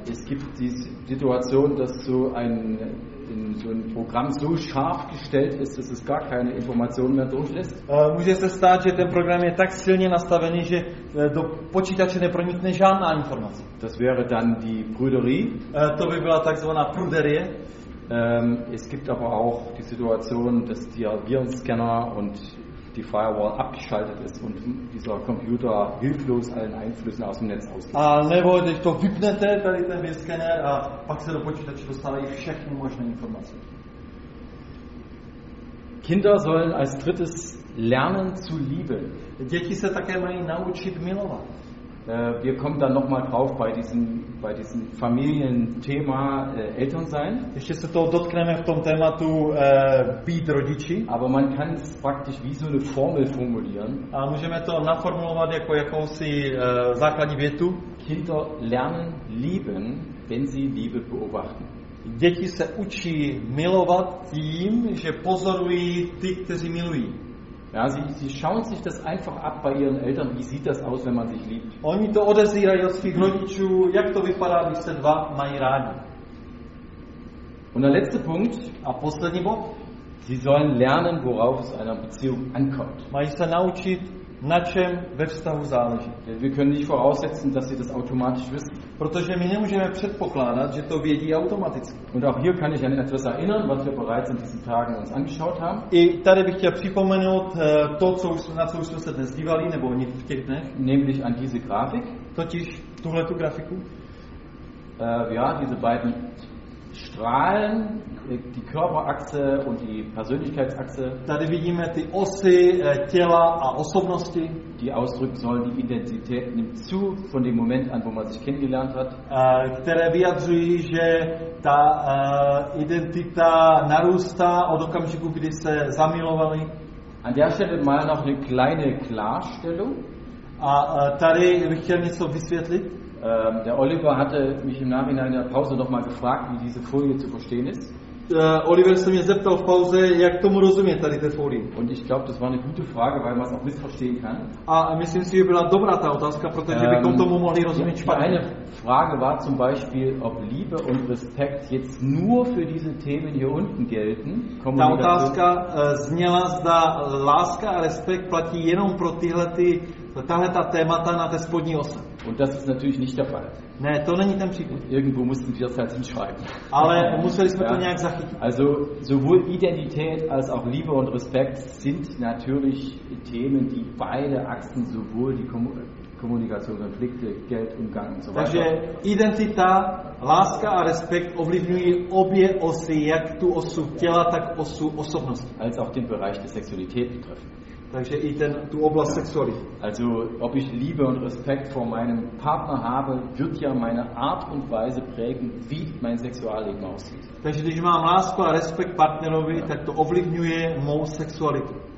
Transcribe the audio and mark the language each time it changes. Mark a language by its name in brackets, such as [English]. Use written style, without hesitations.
[German] Es gibt die Situation, dass so ein Programm so scharf gestellt ist, dass es gar keine Informationen mehr durchlässt. [Czech] Může se stát, že ten program je tak silně nastavený, že do počítače nepronikne žádná informace. [German] Das wäre dann die Prüderie. [Czech] To by byla takzvaná pruderie. [German] Es gibt aber auch die Situation, dass der Virenscanner und die Firewall abgeschaltet ist und dieser Computer hilflos allen Einflüssen aus dem Netz ausgeht. [Czech] Nebo když to vypnete, tady ten Virenscanner, a pak se do počítače dostávají všechny možné informace. [German] Kinder sollen als drittes lernen zu lieben. [Czech] Děti se také mají naučit milovat. [German] Wir kommen dann nochmal drauf bei diesem Familienthema Elternsein. [Czech] Ještě se toho dotkneme v tom tématu být rodiči. [German] Aber man kann es praktisch wie so eine Formel formulieren. [Czech] A můžeme to naformulovat jako jakousi základní větu. [German] Kinder lernen lieben, wenn sie Liebe beobachten. [Czech] Děti se učí milovat tím, že pozorují ty, kteří milují. [German] Ja, sie schauen sich das einfach ab bei ihren Eltern, wie sieht das aus, wenn man sich liebt. [Czech] Oni to odezírají od svých rodičů, jak to vypadá, když se dva mají rádi. [German] Und der letzte Punkt, [Czech] a poslední bod, [German] sie sollen lernen, worauf es einer Beziehung ankommt. [Czech] Mají se naučit, na čem ve vztahu záleží. [German] Wir können nicht voraussetzen, dass sie das automatisch wissen. [Czech] Protože my nemůžeme předpokládat, že to vědí automaticky. [German] Und auch hier kann ich an etwas erinnern, was wir bereits in diesen Tagen uns angeschaut haben. [Czech] I tady bych chtěl připomenout to, na co jsme se dnes dívali, nebo oni v těch dnech. [German] Nämlich an diese Grafik. [Czech] Totiž tuhle tu grafiku. [German] Diese beiden Strahlen, die Körperachse und die Persönlichkeitsachse. [Czech] Tady vidíme ty osy těla a osobnosti. [German] Die ausdrücken sollen, die Identität nimmt zu von dem Moment an, wo man sich kennengelernt hat. [Czech] Které vyjadřují, že ta identita narůstá od okamžiku, kdy se zamilovali. [German] An der Stelle mal noch eine kleine Klarstellung. [Czech] A tady bych chtěl něco vysvětlit. [German] Der Oliver hatte mich im Nachhinein in der Pause nochmal gefragt, wie diese Folie zu verstehen ist. [Czech] Oliver se mě zeptal v pauze, jak tomu rozumět tady té folie. [German] Und ich glaube, das war eine gute Frage, weil man es auch missverstehen kann. [Czech] A myslím si, že byla dobrá ta otázka, protože bychom tomu mohli rozumět špatně. [German] Eine Frage war zum Beispiel, ob Liebe und Respekt jetzt nur für diese Themen hier unten gelten. [Czech] Ta otázka zněla, zda láska a respekt platí jenom pro tahleta témata na té spodní ose. [German] Und das ist natürlich nicht der Fall. [Czech] Ne, to není ten příklad. [German] Irgendwo mussten wir das halt hinschreiben. [Czech] Ale museli jsme to nějak zachytit. [German] Also sowohl Identität als auch Liebe und Respekt sind natürlich Themen, die beide Achsen, sowohl die Kommunikation, Konflikte, Geld, Umgang und so weiter. [Czech] Takže identita, láska a respekt ovlivňují obě osy, jak tu osu těla, tak osu osobnosti. [German] Als auch den Bereich der Sexualität betreffen. [Czech] Takže i ten tu oblast sexuality. [German] Also, ob ich Liebe und Respekt vor meinem Partner habe, wird ja meine Art und Weise prägen, wie mein Sexualleben aussieht. [Czech] Takže když mám lásku a respekt partnerovi, tak to ovlivňuje mou sexualitu.